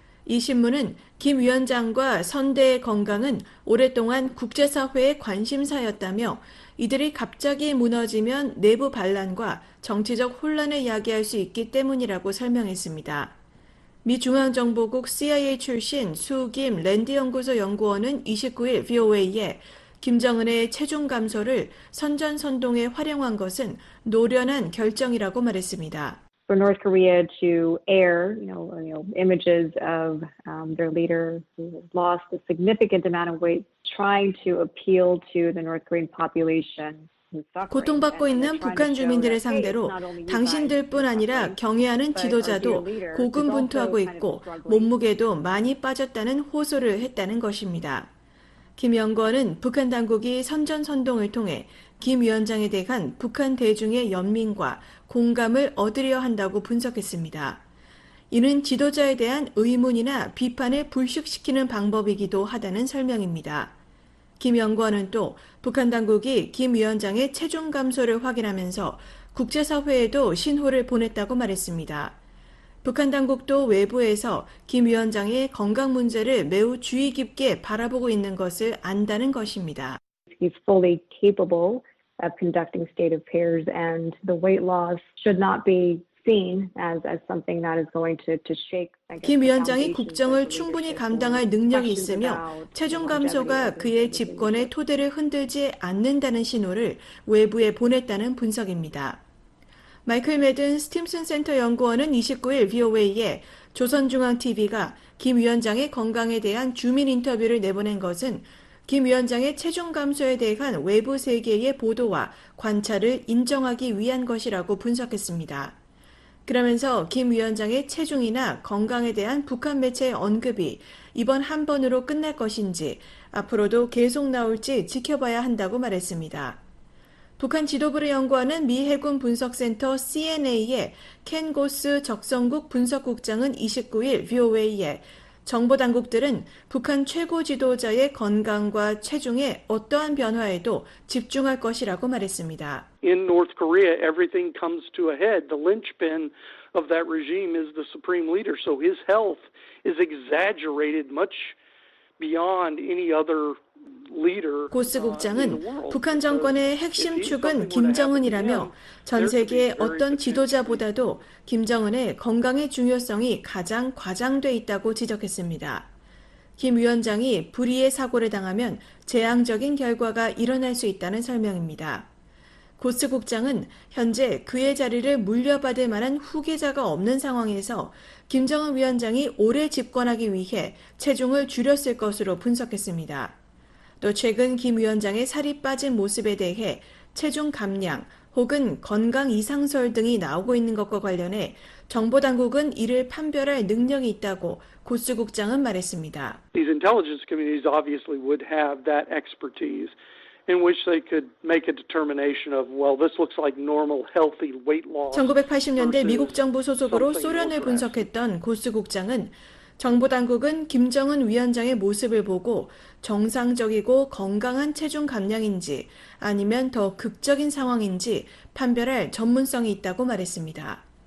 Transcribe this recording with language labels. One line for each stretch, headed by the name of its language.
Korean: 이 신문은 김 위원장과 선대의 건강은 오랫동안 국제사회의 관심사였다며 이들이 갑자기 무너지면 내부 반란과 정치적 혼란을 야기할 수 있기 때문이라고 설명했습니다. 미 중앙정보국 CIA 출신 수김 랜드 연구소 연구원은 29일 VOA에 김정은의 체중 감소를 선전선동에 활용한 것은 노련한 결정이라고 말했습니다.
English: For North Korea to air, images of their leader who lost a significant amount of weight, trying to appeal to the North Korean population.
Korean: 고통받고 있는 북한 주민들을 상대로 당신들뿐 아니라 경애하는 지도자도 고군분투하고 있고 몸무게도 많이 빠졌다는 호소를 했다는 것입니다. 김 연구원은 북한 당국이 선전선동을 통해 김 위원장에 대한 북한 대중의 연민과 공감을 얻으려 한다고 분석했습니다. 이는 지도자에 대한 의문이나 비판을 불식시키는 방법이기도 하다는 설명입니다. 김 연구원은 또 북한 당국이 김 위원장의 체중 감소를 확인하면서 국제사회에도 신호를 보냈다고 말했습니다. 북한 당국도 외부에서 김 위원장의 건강 문제를 매우 주의 깊게 바라보고 있는 것을 안다는 것입니다.
English: He's fully capable of conducting state affairs and the weight loss should not be seen as something that is going to shake.
Korean: 김 위원장이 국정을 충분히 감당할 능력이 있으며 체중 감소가 그의 집권의 토대를 흔들지 않는다는 신호를 외부에 보냈다는 분석입니다. 마이클 매든 스팀슨 센터 연구원은 29일 VOA에 조선중앙TV가 김 위원장의 건강에 대한 주민 인터뷰를 내보낸 것은 김 위원장의 체중 감소에 대한 외부 세계의 보도와 관찰을 인정하기 위한 것이라고 분석했습니다. 그러면서 김 위원장의 체중이나 건강에 대한 북한 매체의 언급이 이번 한 번으로 끝날 것인지 앞으로도 계속 나올지 지켜봐야 한다고 말했습니다. 북한 지도부를 연구하는 미 해군 분석센터 CNA의 켄 고스 적성국 분석국장은 29일 VOA에 정보당국들은 북한 최고 지도자의 건강과 체중에 어떠한 변화에도 집중할 것이라고 말했습니다.
English: In North Korea, everything comes to a head. The linchpin of that regime is the supreme leader. So his health is exaggerated much beyond any other
Korean: 고스 국장은 북한 정권의 핵심 축은 김정은이라며 전 세계의 어떤 지도자보다도 김정은의 건강의 중요성이 가장 과장돼 있다고 지적했습니다. 김 위원장이 불의의 사고를 당하면 재앙적인 결과가 일어날 수 있다는 설명입니다. 고스트 국장은 현재 그의 자리를 물려받을 만한 후계자가 없는 상황에서 김정은 위원장이 오래 집권하기 위해 체중을 줄였을 것으로 분석했습니다. 또 최근 김 위원장의 살이 빠진 모습에 대해 체중 감량 혹은 건강 이상설 등이 나오고 있는 것과 관련해 정보당국은 이를 판별할 능력이 있다고 고스트 국장은 말했습니다.
English: These intelligence communities obviously would have that expertise. In which they could make a determination of, well, this looks like normal, healthy weight loss.
Korean: 1980년대 미국 정부 소속으로 소련을 분석했던 고스 국장은 정보 당국은 김정은 위원장의 모습을 보고 정상적이고 건강한 체중 감량인지 아니면 더 극적인 상황인지 판별할 전문성이 있다고 말했습니다.